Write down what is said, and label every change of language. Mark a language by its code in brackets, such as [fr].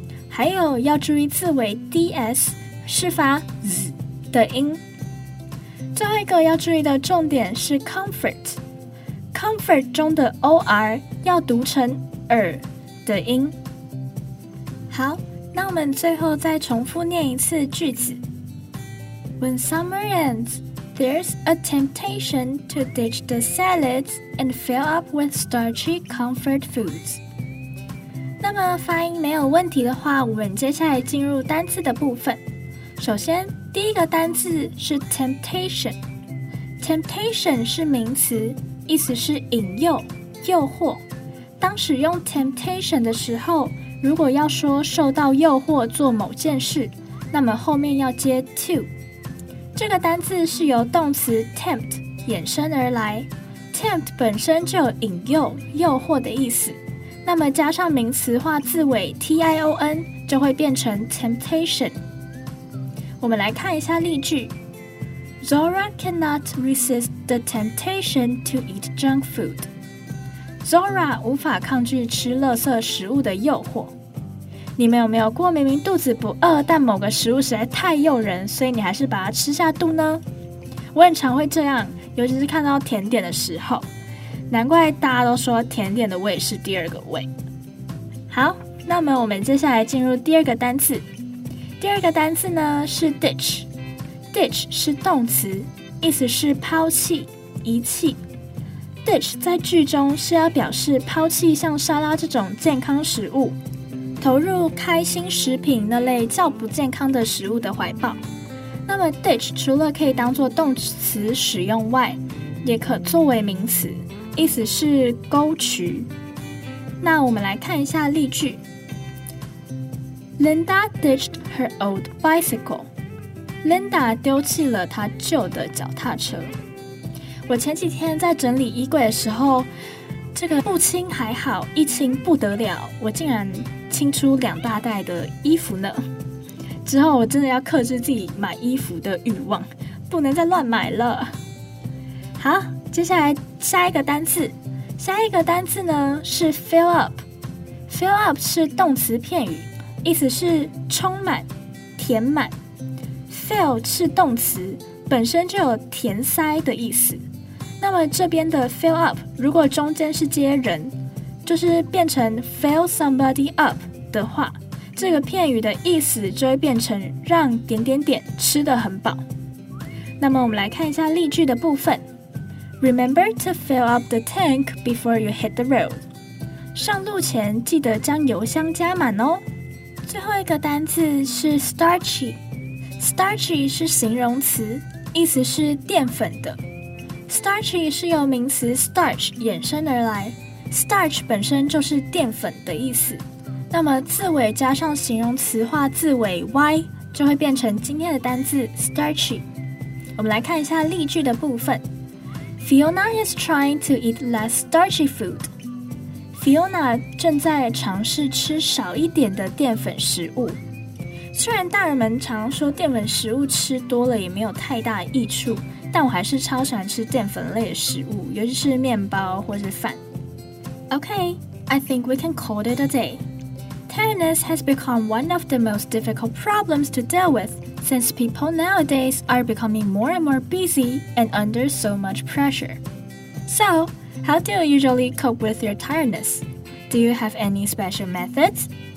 [zh] 还有要注意字尾 ds 是发 z 的音。最后一个要注意的重点是 comfort， comfort 中的 or 要读成 er 的音。好，那我们最后再重复念一次句子。 [en] When summer ends,There's a temptation to ditch the salads and fill up with starchy comfort foods. [zh] 那么发音没有问题的话，我们接下来进入单字的部分。首先，第一个单字是 temptation。temptation 是名词，意思是引诱、诱惑。当使用 temptation 的时候，如果要说受到诱惑做某件事，那么后面要接 to。这个单字是由动词 tempt 衍生而来， tempt 本身就有引诱、诱惑的意思，那么加上名词化字尾 T-I-O-N 就会变成 temptation。我们来看一下例句。 [en] Zora cannot resist the temptation to eat junk food. [zh] Zora 无法抗拒吃垃圾食物的诱惑。你们有没有过明明肚子不饿，但某个食物实在太诱人，所以你还是把它吃下肚呢？我很常会这样，尤其是看到甜点的时候。难怪大家都说甜点的胃是第二个胃。好，那么我们接下来进入第二个单字。第二个单字呢是 ditch。 ditch 是动词，意思是抛弃、遗弃。 ditch 在句中是要表示抛弃像沙拉这种健康食物，投入开心食品那类较不健康的食物的怀抱。那么 ditch 除了可以当作动词使用外，也可作为名词，意思是勾取。那我们来看一下例句。 [en] Linda ditched her old bicycle. [zh] Linda 丢弃了她旧的脚踏车。我前几天在整理衣柜的时候，这个不清还好，一清不得了，我竟然清出两大袋的衣服呢。之后我真的要克制自己买衣服的欲望，不能再乱买了。好，接下来下一个单字。下一个单字呢是 fill up。 fill up 是动词片语，意思是充满、填满。 fill 是动词，本身就有填塞的意思。那么这边的 fill up 如果中间是接人，就是变成 fill somebody up 的话，这个片语的意思就会变成让点点点吃得很饱。那么我们来看一下例句的部分。 [en] Remember to fill up the tank before you hit the road. [zh] 上路前记得将油箱加满哦。最后一个单字是 starchy。 starchy 是形容词，意思是淀粉的。 starchy 是由名词 starch 衍生而来，starch 本身就是淀粉的意思，那么字尾加上形容词化字尾 y 就会变成今天的单字 starchy。我们来看一下例句的部分。 [en] Fiona is trying to eat less starchy food. [zh] Fiona 正在尝试吃少一点的淀粉食物。虽然大人们常说淀粉食物吃多了也没有太大益处，但我还是超喜欢吃淀粉类的食物，尤其是面包或是饭。 [en] Okay, I think we can call it a day. Tiredness has become one of the most difficult problems to deal with since people nowadays are becoming more and more busy and under so much pressure. So, how do you usually cope with your tiredness? Do you have any special methods?